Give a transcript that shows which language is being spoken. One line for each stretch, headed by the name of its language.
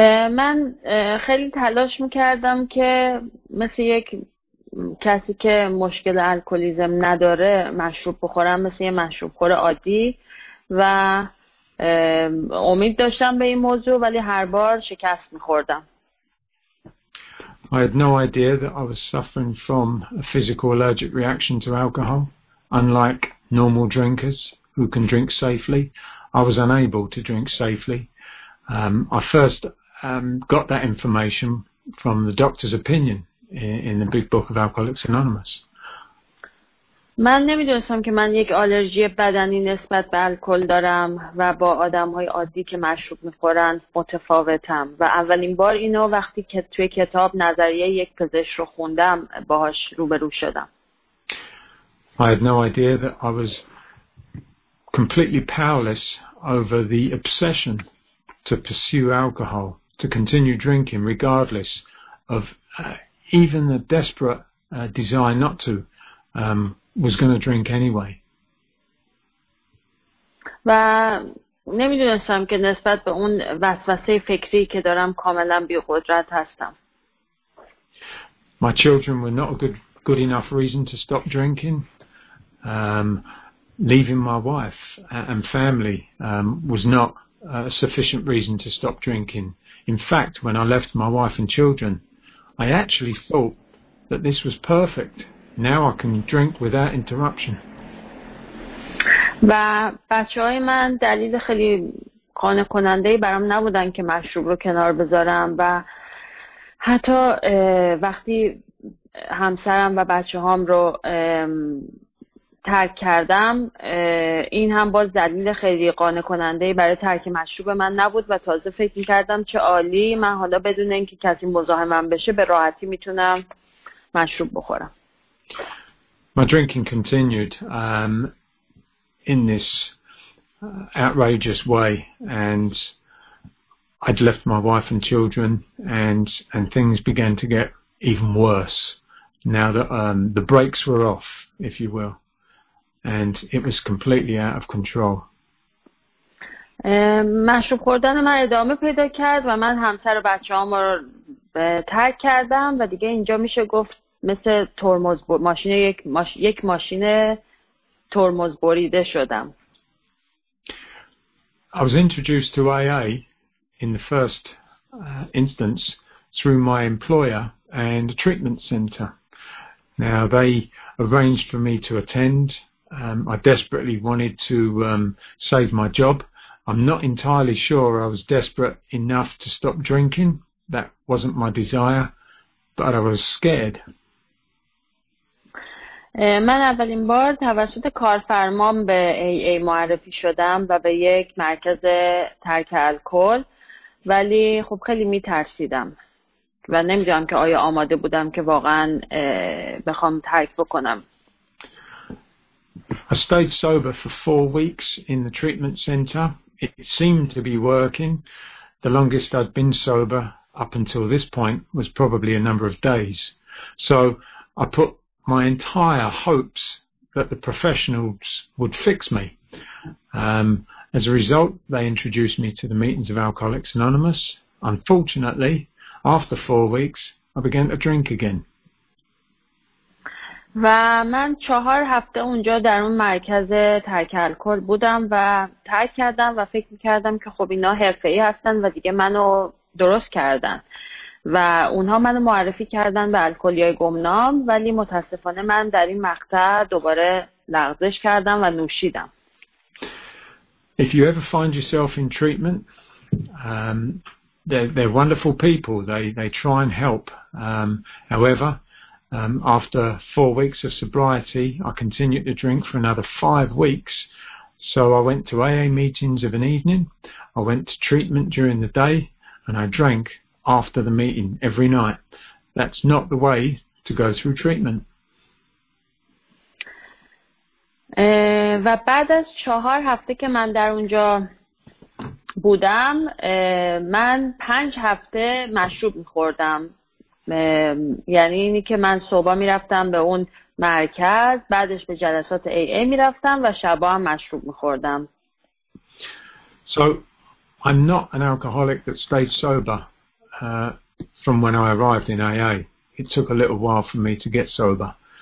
Persian: من خیلی تلاش میکردم که مثل یک کسی که مشکل الکلیزم نداره مشروب بخورم، مثل یک مشروب خور عادی، و امید داشتم به این موضوع، ولی هر بار شکست می‌خوردم.
English: I had no idea that I was suffering from a physical allergic reaction to alcohol. Unlike normal drinkers who can drink safely, I was unable to drink safely. I first got that information from the doctor's opinion in the Big Book of Alcoholics Anonymous.
Persian: من نمیدونستم که من یک آلرژی بدنی نسبت به الکل دارم و با آدم‌های عادی که مشروب می‌خورن متفاوتم، و اولین بار اینو وقتی که توی کتاب نظریه یک پزشک رو خوندم باهاش روبرو شدم.
English: I had no idea that I was completely powerless over the obsession to pursue alcohol, to continue drinking regardless of even the desperate desire not to. Was going to drink anyway.
Persian: و نمیدونستم که نسبت به اون وسوسه فکری که دارم کاملا بی قدرت هستم.
English: My children were not a good enough reason to stop drinking. Leaving my wife and family was not a sufficient reason to stop drinking. In fact, when I left my wife and children, I actually thought that this was perfect. Now I can drink without interruption.
Persian: و بچه‌های من دلیل خیلی قانع کننده‌ای برام نبودن که مشروب رو کنار بذارم و حتی وقتی همسرم و بچه‌هام رو ترک کردم این هم باز دلیل خیلی قانع کننده‌ای برای ترک مشروب من نبود و تازه فکر می‌کردم چه عالی من حالا بدون اینکه کسی مزاحمم بشه به راحتی می‌تونم مشروب بخورم.
English: My drinking continued in this outrageous way, and I'd left my wife and children, and things began to get even worse now that the brakes were off, if you will, and it was completely out of control.
Persian: مشروب خوردن من ادامه پیدا کرد و من همسر و بچه‌هام رو ترک کردم و دیگه اینجا میشه گفت مثل ترمز ماشین یک ماشین ترمز بریده شدم.
English: I was introduced to AA in the first instance through my employer and the treatment center. Now they arranged for me to attend. I desperately wanted to save my job. I'm not entirely sure I was desperate enough to stop drinking. That wasn't my desire, but I was scared.
Persian: من اولین بار توسط کارفرمام به AA معرفی شدم و به یک مرکز ترک الکل، ولی خب خیلی میترسیدم و نمیدونم که آیا آماده بودم که واقعا بخوام ترک بکنم.
English: I stayed sober for 4 weeks in the treatment center. It seemed to be working. The longest I'd been sober up until this point was probably a number of days. So I put my entire hopes that the professionals would fix me. As a result, they introduced me to the meetings of Alcoholics Anonymous. Unfortunately, after 4 weeks, I began to drink again.
Persian: و من 4 هفته اونجا در اون مرکز ترک الکل بودم و ترک کردم و فکر می‌کردم که خب اینا حرفه‌ای هستن و دیگه منو درست کردن. و اونها منو معرفی کردن به الکلی‌های گمنام، ولی متاسفانه من در این مقطع دوباره لغزش کردم و نوشیدم.
English: If you ever find yourself in treatment, they're wonderful people. They try and help. However, after 4 weeks of sobriety, I continued to drink for another 5 weeks. So I went to AA meetings of an evening. I went to treatment during the day, and I drank after the meeting every night. That's not the way to go through treatment.
Persian: و بعد از 4 هفته که من در اونجا بودم، من 5 هفته مشروب می‌خوردم. یعنی اینی که من صبح می‌رفتم به اون مرکز، بعدش به جلسات AA می‌رفتم و شبا هم مشروب می‌خوردم.
English: So I'm not an alcoholic that stayed sober. From when I arrived in AA, it took a little while for me to get sober.